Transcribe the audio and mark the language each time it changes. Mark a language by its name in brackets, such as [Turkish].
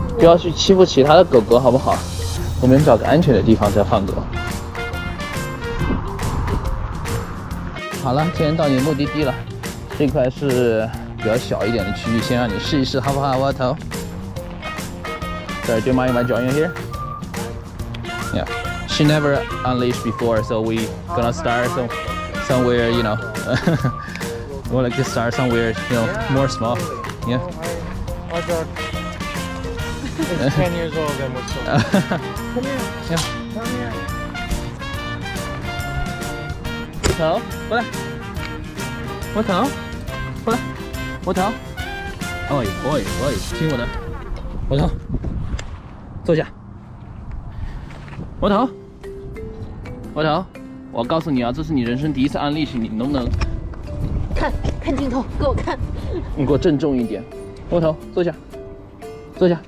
[Chinese] 不要去欺负其他的狗狗，好不好？我们找个安全的地方再放狗。好了，既然到你目的地了，这块是比较小一点的区域，先让你试一试，好不好，窝头？ [English] So do you mind if I join you here? Yeah. She never unleashed before, so we gonna start somewhere, you know. We wanna just start somewhere, you know, more small. Yeah. My dog is 10 years old and we're still. Come here. Yeah. Come here. What the hell? What the hell? What the hell? Oi, oi, oi. [Chinese] 听我的。 [English] What the hell? [Chinese] 坐下，窝头，窝头，我告诉你啊，这是你人生第一次按力气，你能不能看看镜头，给我看，你给我郑重一点，窝头，坐下，坐下，